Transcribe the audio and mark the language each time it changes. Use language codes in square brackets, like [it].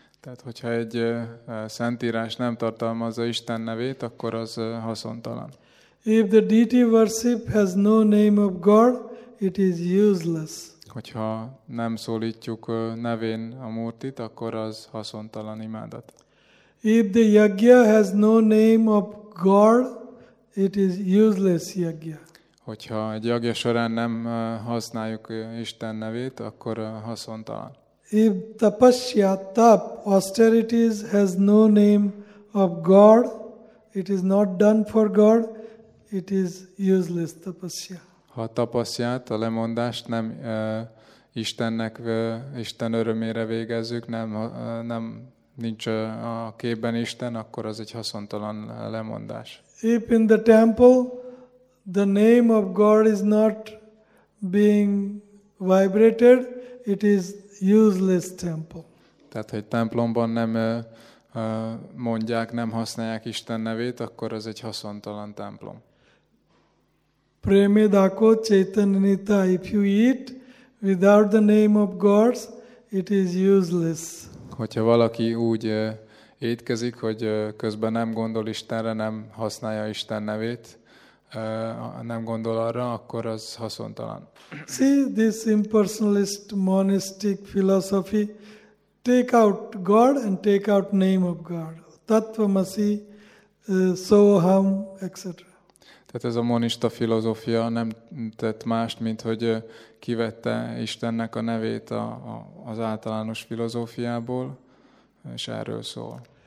[hu] Tehát, hogyha egy szentírás nem tartalmazza Isten nevét, akkor az haszontalan. [en] If the deity worship has no name of God, it is useless. [hu] Hogyha nem szólítjuk nevén a Murtit, akkor az haszontalan imádat. [en] If the yagya has no name of God, it is useless yagya. [hu] Hogyha egy yagya során nem használjuk Isten nevét, akkor haszontalan. [en] If tapasya, tap, austerities has no name of God, it is not done for God, it is useless tapasya. [hu] Ha a tapasyát, a lemondást nem Istennek, Isten örömére végezzük, nem nincs a képben Isten, akkor az egy haszontalan lemondás. [en] If in the temple the name of God is not being vibrated, it is useless temple. [hu] Tehát, ha egy templomban nem mondják, nem használják Isten nevét, akkor az egy haszontalan templom. [en] Preme dako chaitanita, if you eat without the name of God, it is useless. [hu] Hogyha valaki úgy étkezik, hogy közben nem gondol Istenre, nem használja Isten nevét, nem gondol arra, akkor az haszontalan. [en] See this impersonalist monistic philosophy. Take out God and take out name of God. Tattvamasi, soham, etc. [hu] Tehát ez a monista filozófia nem tett mást, mint hogy kivette Istennek a nevét az általános filozófiából, és erről szól.